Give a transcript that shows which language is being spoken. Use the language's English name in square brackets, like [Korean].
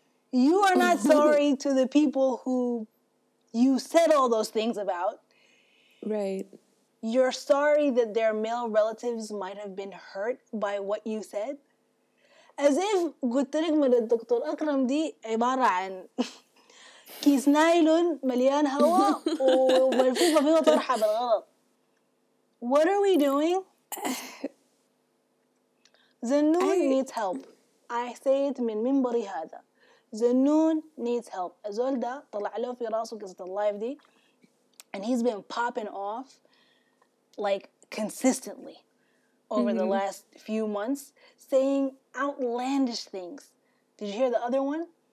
[English] You are not sorry to the people who you said all those things about. Right. You're sorry that their male relatives might have been hurt by what you said? As if [Arabic] قلت لك من الدكتور أكرم دي عبارة عن كيس نايلون مليان هواء وملفوفة فيه طرحة بالغلط. [English] What are we doing? زنون needs help. I say it [Arabic] من منبري هذا. [English] زنون needs help. [Arabic] أزول ده طلع له في راسه قصة اللايف دي [English] and he's been popping off like consistently over the last few months saying outlandish things. Did you hear the other one?